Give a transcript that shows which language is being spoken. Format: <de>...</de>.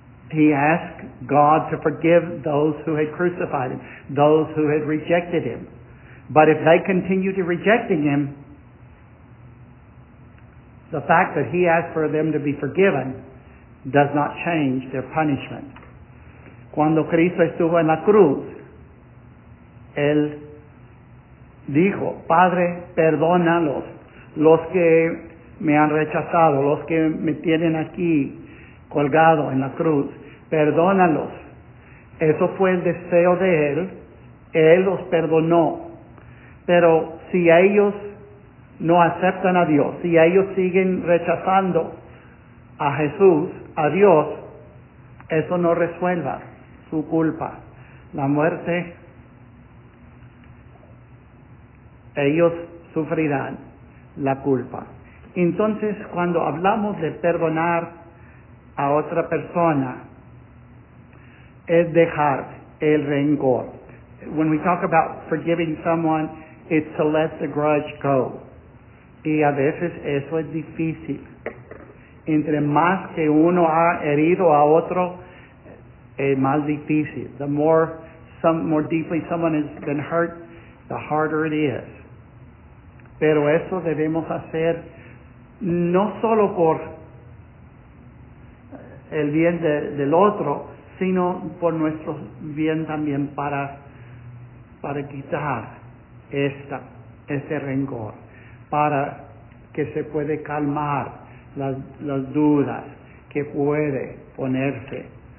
<en>He asked God to forgive those who had crucified Him, those who had rejected Him. But if they continue to rejecting Him, the fact that He asked for them to be forgiven does not change their punishment.</en> <es>Cuando Cristo estuvo en la cruz, Él dijo, Padre, perdónalos, los que me han rechazado, los que me tienen aquí colgado en la cruz, perdónalos. Eso fue el deseo de Él. Él los perdonó. Pero si ellos no aceptan a Dios, si ellos siguen rechazando a Jesús, a Dios, eso no resuelva su culpa. La muerte, ellos sufrirán la culpa. Entonces, cuando hablamos de perdonar a otra persona, es dejar el rencor.</es> <en>When we talk about forgiving someone, it's to let the grudge go.</en> <es>Y a veces eso es difícil. Entre más que uno ha herido a otro, es más difícil.</es> <en>The more deeply someone has been hurt, the harder it is.</en> <es>Pero eso debemos hacer no solo por el bien del otro, sino por nuestro bien también para quitar este rencor, para que se puede calmar las dudas que puede ponerse.</es>